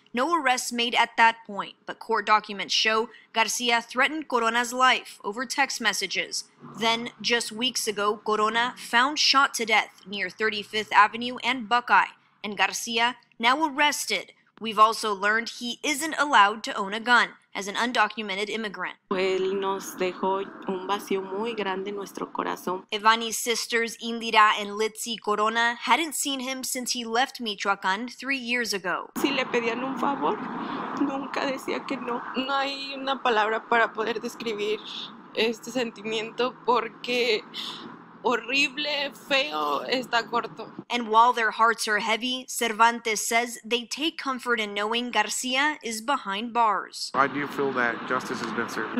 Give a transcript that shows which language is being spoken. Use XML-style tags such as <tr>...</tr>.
<en>No arrests made at that point, but court documents show Garcia threatened Corona's life over text messages. Then, just weeks ago, Corona found shot to death near 35th Avenue and Buckeye, and Garcia now arrested. We've also learned he isn't allowed to own a gun as an undocumented immigrant.</en> <es>Él nos dejó un vacío muy grande en nuestro corazón.</es> <en>Evani's sisters Indira and Litzy Corona hadn't seen him since he left Michoacán 3 years ago.</en> <es>Si le pedían un favor, nunca decía que no. No hay una palabra para poder describir este sentimiento porque horrible, feo, está corto.</es> <en>And while their hearts are heavy, Cervantes says they take comfort in knowing Garcia is behind bars. I do feel that justice has been served.</en>